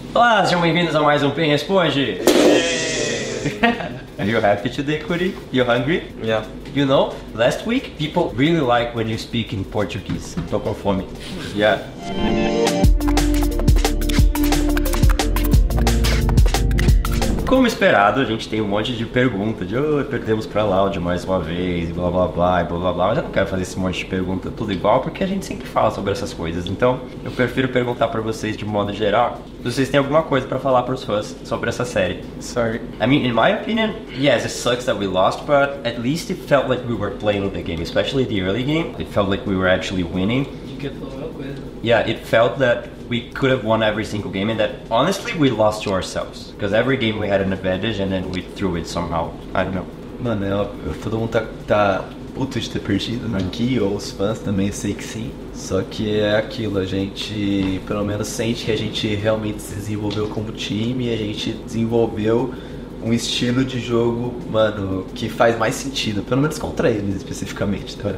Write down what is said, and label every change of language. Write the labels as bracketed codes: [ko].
[pt] Olá, sejam bem-vindos a mais um Pen Responde! [en] Are you happy today, Curi? You hungry? Yeah. You know, last week people really like when you speak in Portuguese. [pt] Tô com fome. [en] Yeah. [pt] Como esperado, a gente tem um monte de perguntas de perdemos pra Laude mais uma vez, blá blá blá, blá blá blá. Mas eu não quero fazer esse monte de pergunta tudo igual, porque a gente sempre fala sobre essas coisas. Então, eu prefiro perguntar pra vocês de modo geral, se vocês têm alguma coisa pra falar pros fãs sobre essa série. [en] Sorry. I mean, in my opinion, yes, it sucks that we lost, but at least it felt like we were playing the game, especially the early game. It felt like we were actually winning. Yeah, it felt that we could have won every single game and that honestly we lost to ourselves. Because every game we had an advantage and then we threw it somehow. I don't know. [pt] Mano, todo mundo tá puto de ter perdido, né? Aqui, ou os fãs também, eu sei que sim. Só que é aquilo, a gente pelo menos sente que a gente realmente se desenvolveu como time e a gente desenvolveu um estilo de jogo, mano, que faz mais sentido, pelo menos contra eles especificamente, tá?